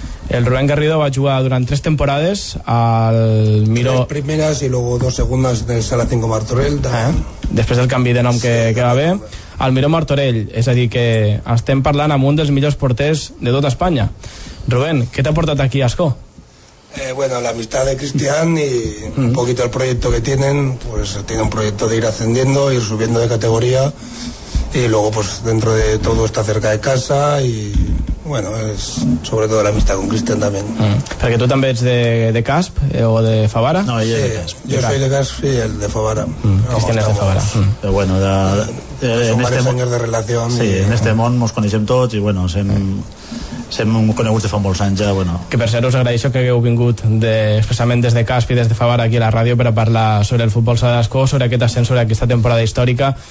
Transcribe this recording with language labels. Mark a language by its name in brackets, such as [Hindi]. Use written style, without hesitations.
[Catalan] El Rubén Garrido va jugar durant tres temporades al Miró. Tres primeres i luego dos segundes del Sala 5 Martorell. Després del canvi de nom que va bé. Al Miró Martorell, és a dir, que estem parlant amb un dels millors porters de tot Espanya. Rubén, què t'ha portat aquí a Ascó? [Spanish] Bueno, la amistad de Cristian y un poquito el proyecto que tienen, pues tiene un proyecto de ir ascendiendo, ir subiendo de categoría y luego pues dentro de todo está cerca de casa bueno, es sobre todo la amistad con Cristian también. Mm. [Catalan] Perquè tu també ets de Casp o de Favara? No, ella sí, és de Casp. Jo soy de Casp i el de Favara. Mm. Cristian és de Favara. Mm. Però bueno, en este món... de relació. Sí, en este món mos coneixem tots i bueno, sem... Sem coneguts de fa molts anys ja, bueno. Que per cert, us agraeixo que hagueu vingut de, especialment des de Casp i des de Favara aquí a la ràdio per a parlar sobre el futbol sala d'Ascó, sobre aquest ascens, sobre aquesta temporada històrica.